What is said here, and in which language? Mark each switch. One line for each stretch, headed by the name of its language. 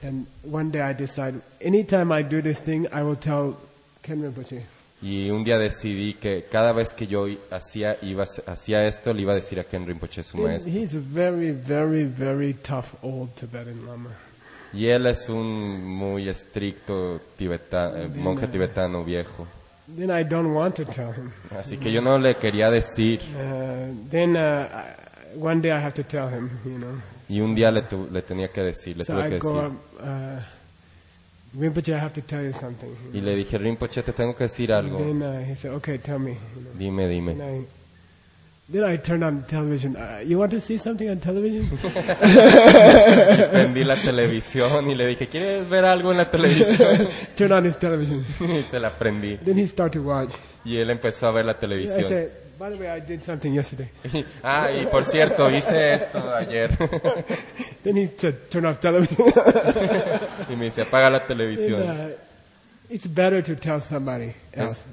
English: And one day I decided, anytime I do this thing, I will tell Ken Rinpoche.
Spanish: Y un día decidí que cada vez que yo hacía esto, le iba a decir a Ken Rinpoche, su maestro.
English: He's a very, very, very tough old Tibetan lama.
Spanish: Y él es un muy estricto monje tibetano viejo.
English: Then I don't want to tell him.
Spanish: Así que yo no le quería decir.
English: Then one day I have to tell him, you know.
Spanish: Y un día le tenía que decir, le tuve que decir.
English: Rinpoche, I have to tell you something.
Spanish: Y le dije, Rinpoche, te tengo que decir algo.
English: Then he said, okay, tell me. You know.
Spanish: Dime.
English: Then I turned on the television. You want to see something on television?
Spanish: Prendí la televisión y le dije, ¿quieres ver algo en la televisión?
English: Turn on his television.
Spanish: Y se la prendí.
English: Then he started to watch.
Spanish: Y él empezó a ver la televisión.
English: Yeah, I said, by the way, I did something yesterday.
Spanish: Ah, y por cierto, hice esto ayer.
English: Then he said, turn off television.
Spanish: Y me dice, apaga la televisión.
English: It's better to tell somebody else.